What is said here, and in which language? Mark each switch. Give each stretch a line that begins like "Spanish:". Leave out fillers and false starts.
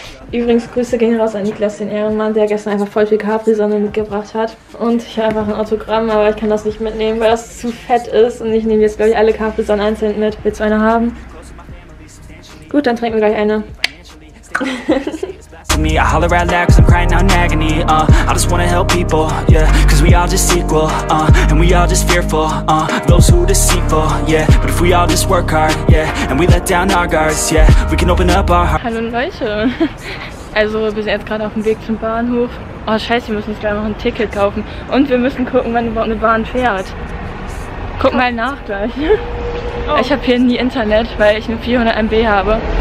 German: Übrigens, Grüße gehen raus an Niklas, den Ehrenmann, der gestern einfach voll viel Capri-Sonne mitgebracht hat. Und ich habe einfach ein Autogramm, aber ich kann das nicht mitnehmen, weil das zu fett ist. Und ich nehme jetzt, glaube ich, alle Capri-Sonne einzeln mit. Willst du eine haben? Gut, dann trinken wir gleich eine.
English: Me, I holler out loud cause I'm crying out in agony. I just wanna help people, yeah. Cause we all just equal, and we all just fearful, those who deceitful, yeah. But if we all just work hard, yeah, and we let down our guards, yeah, we can open up our hearts.
German: Hallo Leute. Also wir sind jetzt gerade auf dem Weg zum Bahnhof. Oh scheiße, wir müssen uns gleich noch ein Ticket kaufen. Und wir müssen gucken, wann überhaupt eine Bahn fährt. Guck mal nach gleich. Oh. Ich habe hier nie Internet, weil ich nur 400 MB habe.